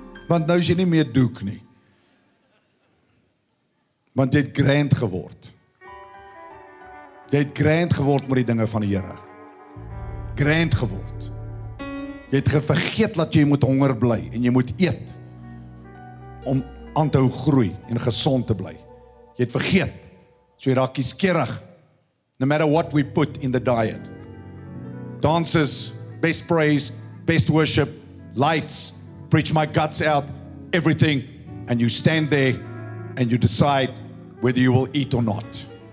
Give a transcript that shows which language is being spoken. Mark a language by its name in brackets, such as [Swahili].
[Afrikaans] Want nou is jy nie meer doek nie. Want jy het grand geword. Jy het grand geword met die dinge van die Here. Grand geword. Jy het gevergeet dat jy moet honger bly en jy moet eet. Om aan te hou groei en gezond te bly. Jy het vergeet. So jy raak kieskeurig. [English] No matter what we put in the diet. Dances, best praise, best worship, lights, preach my guts out, everything. And you stand there and you decide whether you will eat or not.